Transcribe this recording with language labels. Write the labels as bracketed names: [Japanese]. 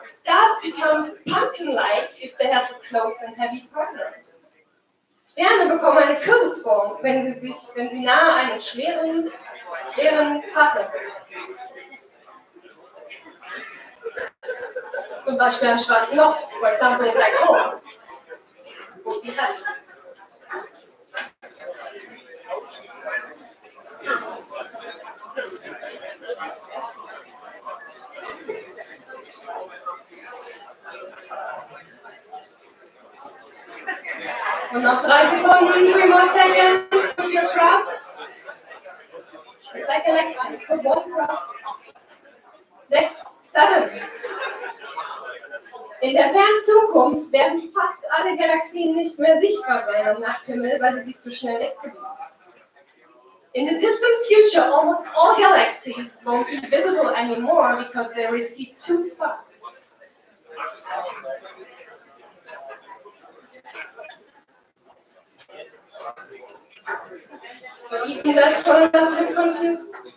[English] Stars become pumpkin-like if they have a close and heavy partner. [German] Sterne bekommen eine Kürbisform, wenn sie nahe einem schweren Partner sind. Zum Beispiel am schwarzen Loch, [English] for example, in Black Hole. [German] Und noch 3 Sekunden, [English] 3 more seconds, put your cross. It's like an action, put one cross. Next, 7. [German] In der fernen Zukunft werden fast alle Galaxien nicht mehr sichtbar sein am Nachthimmel, weil sie sich zu schnell wegbewegen. [English] In the distant future, almost all galaxies won't be visible anymore because they recede too fast. But you can just call us a bit confused.